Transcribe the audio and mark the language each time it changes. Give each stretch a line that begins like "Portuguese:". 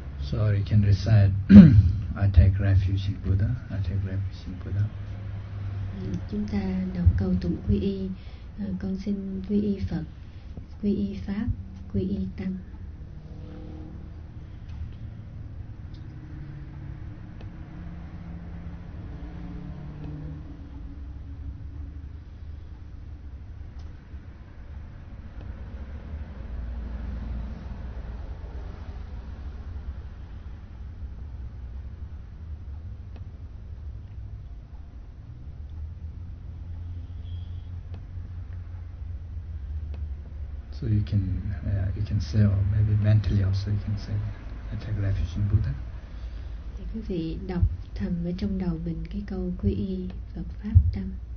English: So you can recite, I take refuge in Buddha, I take refuge in Buddha.
Vietnamese: Chúng ta đọc câu tụng quy y, con xin quy y Phật, quy y Pháp, quy y Tăng.
English: So you can say, or maybe mentally also you can say that. take refuge in Buddha.
Vietnamese: Thì quý vị đọc thầm ở trong đầu mình cái câu quy y Phật pháp tâm.